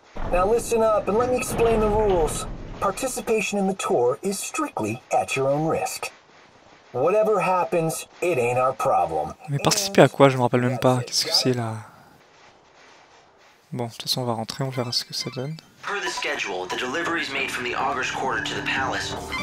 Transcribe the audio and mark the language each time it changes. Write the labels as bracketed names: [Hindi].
[English] Now listen up and let me explain the rules. Participation in the tour is strictly at your own risk. Whatever happens, it ain't our problem. [French] Mais participer à quoi? Je me rappelle même pas. Qu'est-ce que c'est là? Bon, de toute façon, on va rentrer, on verra ce que ça donne. [English] Per the schedule, the delivery is made from the Augur's quarter to the palace.